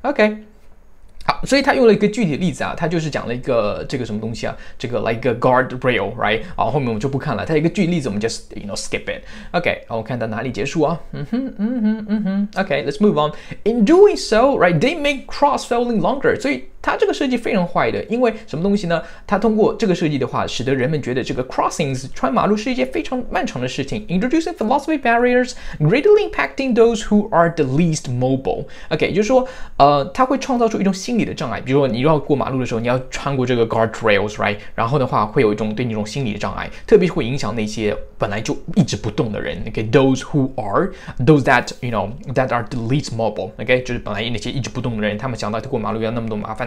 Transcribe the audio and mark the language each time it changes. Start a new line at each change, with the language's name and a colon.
Chinese: Okay. 好，所以他用了一个具体的例子啊，他就是讲了一个这个什么东西啊，这个
English: like a guard rail, right?
Chinese: 好，后面我们就不看了。他一个具体例子，我们
English: just you know skip it.
Chinese: Okay, 我看到哪里结束啊？
English: Okay, let's move on. In doing so, right, they make cross failing longer.
Chinese: 所以他这个设计非常坏的，因为什么东西呢？他通过这个设计的话，使得人们觉得这个 crossings 穿马路是一件非常漫长的事情。
English: Introducing velocity barriers greatly impacting those who are the least mobile.
Chinese: OK, 就是说，他会创造出一种心理的障碍。比如说，你要过马路的时候，你要穿过这个 guardrails, right? 然后的话，会有一种对你一种心理的障碍，特别会影响那些本来就一直不动的人。
English: OK, those that are the least mobile.
Chinese: OK, 就是本来那些一直不动的人，他们想到过马路要那么多麻烦。